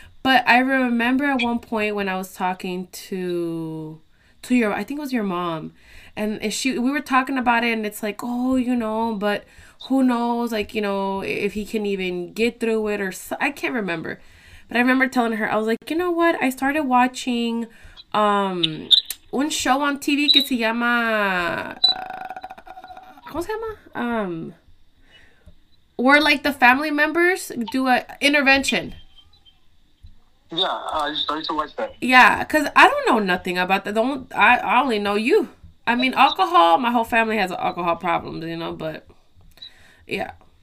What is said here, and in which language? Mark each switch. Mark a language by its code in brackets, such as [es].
[en] But I remember at one point when I was talking to your, I think it was your mom. And we were talking about it and it's like, oh, you know, but who knows, like, you know, if he can even get through it or I can't remember. But I remember telling her, I was like, you know what? I started watching [es] un [en] show on TV [es] que se llama, ¿cómo se llama? [en] Where, like, the family members do a intervention. Yeah, I started to watch that. Yeah, because I don't know nothing about that. I only know you. I mean, alcohol, my whole family has alcohol problems, you know, but yeah.